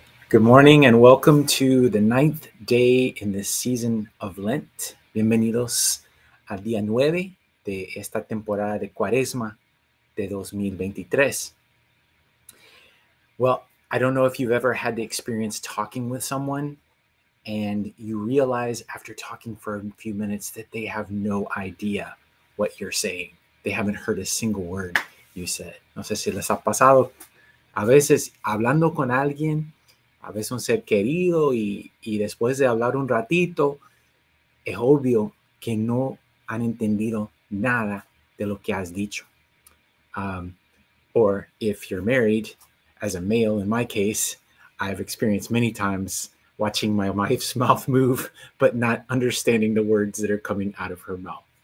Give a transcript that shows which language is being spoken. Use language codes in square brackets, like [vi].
[en] Good morning and welcome to the ninth day in the season of Lent. [es] Bienvenidos al día nueve de esta temporada de Cuaresma de 2023. [en] Well, I don't know if you've ever had the experience talking with someone and you realize after talking for a few minutes that they have no idea what you're saying. They haven't heard a single word you said. [es] No sé si les ha pasado. A veces hablando con alguien, a veces un ser querido y después de hablar un ratito, es obvio que no han entendido nada de lo que has dicho. [en] Or if you're married, as a male in my case, I've experienced many times watching my wife's mouth move, but not understanding the words that are coming out of her mouth.